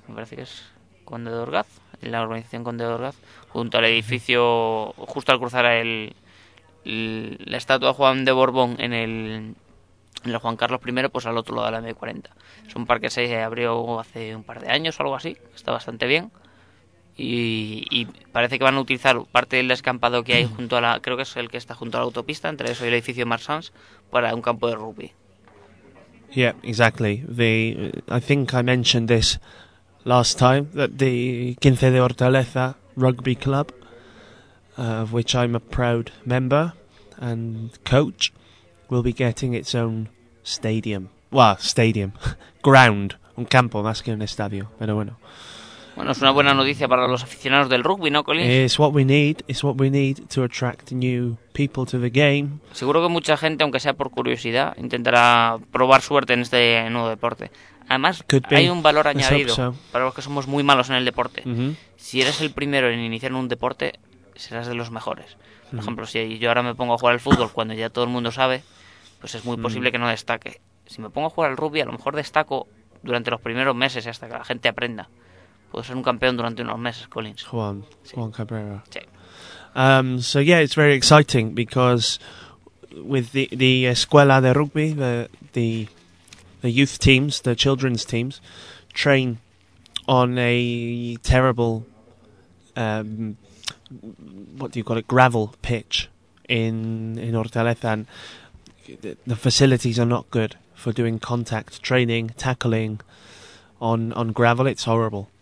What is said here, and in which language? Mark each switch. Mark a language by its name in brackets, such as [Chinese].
[Spanish] me parece que es Conde de Orgaz, la urbanización Conde de Orgaz, junto al edificio, justo al cruzar la estatua Juan de Borbón en el Juan Carlos I, pues al otro lado de la M40. Es un parque que se abrió hace un par de años o algo así, está bastante bien. Y parece que van a utilizar parte del descampado que hay junto a la... creo que es el que está junto a la autopista, entre eso y el edificio Marsans, para un campo de rugby. [English] Yeah, exactly. I think I mentioned this last time, that the 15 de Hortaleza Rugby Club, of which I'm a proud member and coach, will be getting its own stadium. Well, stadium. Ground. [Spanish] Un campo, más que un estadio. Pero bueno. Bueno, es una buena noticia para los aficionados del rugby, ¿no, Collins? [English] It's what we need to attract new people to the game. [Spanish] Seguro que mucha gente, aunque sea por curiosidad, intentará probar suerte en este nuevo deporte. Además, hay un valor añadido para los que somos muy malos en el deporte. Si eres el primero en iniciar un deporte, serás de los mejores. Por ejemplo, si yo ahora me pongo a jugar al fútbol cuando ya todo el mundo sabe, pues es muy posible que no destaque. Si me pongo a jugar al rugby, a lo mejor destaco durante los primeros meses hasta que la gente aprenda. Puedo ser un campeón durante unos meses, Collins. Juan Cabrera. Sí. [English] So yeah, it's very exciting because with the escuela de rugby, the youth teams, the children's teams, train on a terrible gravel pitch in Hortaleza, and the facilities are not good for doing contact training, tackling on gravel. It's horrible.